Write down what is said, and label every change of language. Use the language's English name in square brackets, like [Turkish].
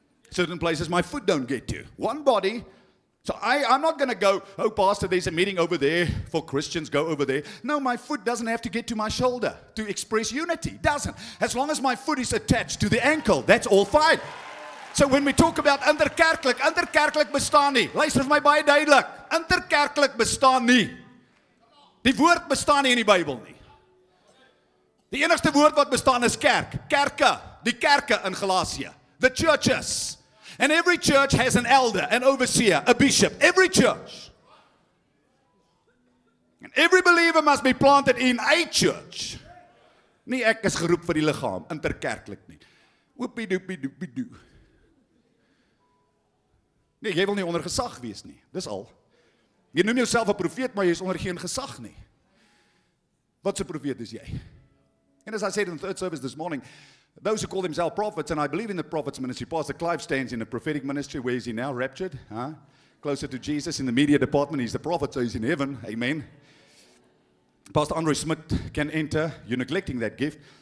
[English] Certain places my foot don't get to. One body. So I'm not going to go, oh, pastor, there's a meeting over there for Christians. Go over there. No, my foot doesn't have to get to my shoulder to express unity. Doesn't. As long as my foot is attached to the ankle, that's all fine. So when we talk about underkerklik, underkerklik bestaan nie. [Afrikaans] Luister vir my baie duidelik. Underkerklik bestaan nie. Die woord bestaan nie in die Bybel nie. Die enigste woord wat bestaan is kerk. Kerke. Die kerke in Galasië. [English] The churches. And every church has an elder, an overseer, a bishop. Every church. And every believer must be planted in a church. [Afrikaans] Nie ek is geroep vir die liggaam, interkerklik nie. Oopie doopie doopie doo. Nee, jy wil nie onder gesag wees nie. Dis al. Jy noem jouself 'n profeet, maar jy is onder geen gesag nie. Wat 'n profeet is jy? [English] And as I said in the third service this morning, those who call themselves prophets, and I believe in the prophets' ministry. Pastor Clive stands in the prophetic ministry. Where is he now? Raptured? Huh? Closer to Jesus in the media department. He's the prophet, so he's in heaven. Amen. Pastor Andre Smith can enter. You're neglecting that gift.